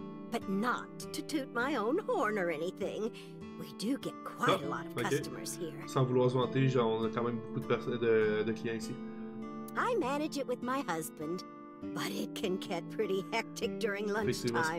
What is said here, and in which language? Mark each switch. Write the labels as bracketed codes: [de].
[en] But not to toot my own horn or anything. We do get quite a lot of customers here. [fr] Sans vouloir se vanter, genre, on a quand même beaucoup de clients ici. [en] I manage it with my husband, but it can get pretty hectic during lunchtime.